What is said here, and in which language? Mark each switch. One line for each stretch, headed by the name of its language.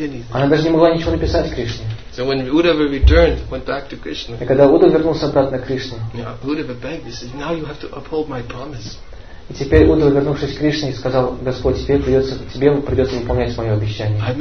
Russian: Она даже не могла ничего написать Кришне.
English: So when Uddhava returned, went back to Krishna.
Russian: И когда Уддхава вернулся обратно к Кришне,
English: Uddhava begged, he said, now you have to uphold my promise.
Russian: И теперь Удва, вернувшись к Кришне, сказал: Господь, тебе придется выполнять мое обещание.